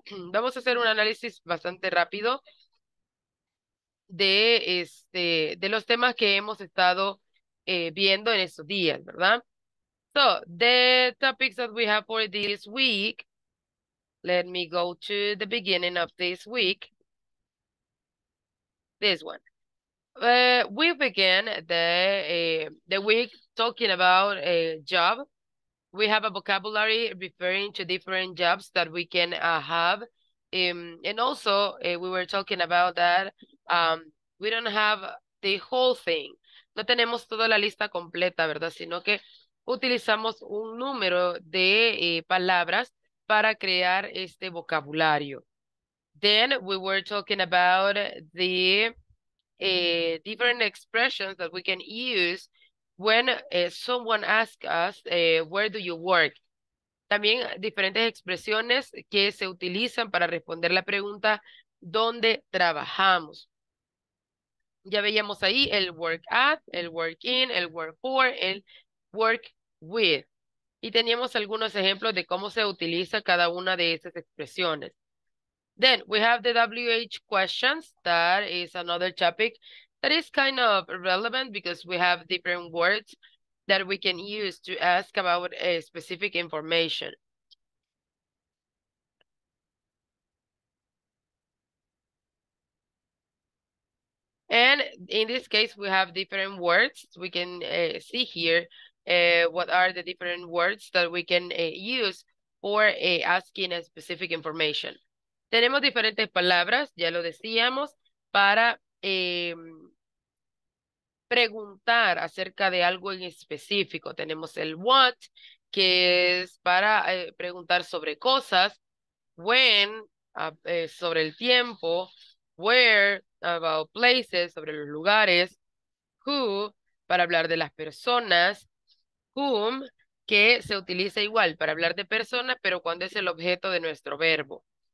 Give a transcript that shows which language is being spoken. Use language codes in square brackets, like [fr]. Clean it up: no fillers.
[es] Vamos a hacer un análisis bastante rápido de los temas que hemos estado viendo en estos días, ¿verdad? [en] So, the topics that we have for this week, let me go to the beginning of this week. This one. We began the week talking about a job. We have a vocabulary referring to different jobs that we can have. And also, we were talking about that we don't have the whole thing. [es] No tenemos toda la lista completa, ¿verdad? Sino que utilizamos un número de palabras para crear este vocabulario. [en] Then we were talking about the different expressions that we can use when someone asks us, where do you work? [es] También diferentes expresiones que se utilizan para responder la pregunta, ¿dónde trabajamos? Ya veíamos ahí el work at, el work in, el work for, el work with. Y teníamos algunos ejemplos de cómo se utiliza cada una de esas expresiones. [en] Then we have the WH questions. That is another topic that is kind of relevant because we have different words that we can use to ask about a specific information. And in this case, we have different words. We can see here what are the different words that we can use for asking a specific information. [es] Tenemos diferentes palabras, ya lo decíamos, para preguntar acerca de algo en específico. Tenemos el what, que es para preguntar sobre cosas, when, sobre el tiempo, where, [en] about places, [es] sobre los lugares, who, para hablar de las personas, whom, que se utiliza igual para hablar de personas, pero cuando es el objeto de nuestro verbo.